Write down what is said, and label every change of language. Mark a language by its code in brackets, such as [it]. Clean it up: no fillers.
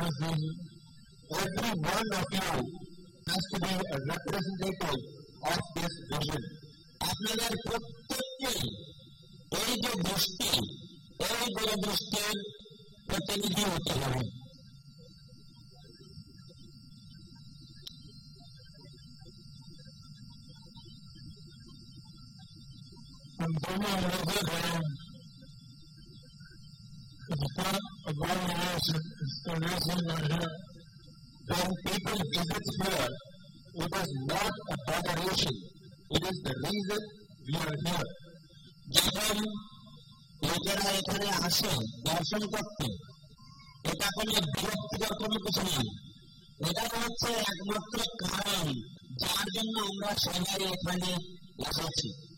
[en] Every one of you has to be a representative of this vision. [bn] আপনাদের প্রত্যেকেই এই যে দৃষ্টি এই বড় দৃষ্টির প্রতিনিধি হতে হবে। [en] When people visit here, it is not a preparation, it is the reason we are here. [bn] যখন লোকেরা এখানে আসে দর্শন করতে, এটা কোনো বিরক্তিকর কোনো কিছু নয়, এটা হচ্ছে একমাত্র কারণ যার জন্য আমরা সবাই এখানে এসেছি।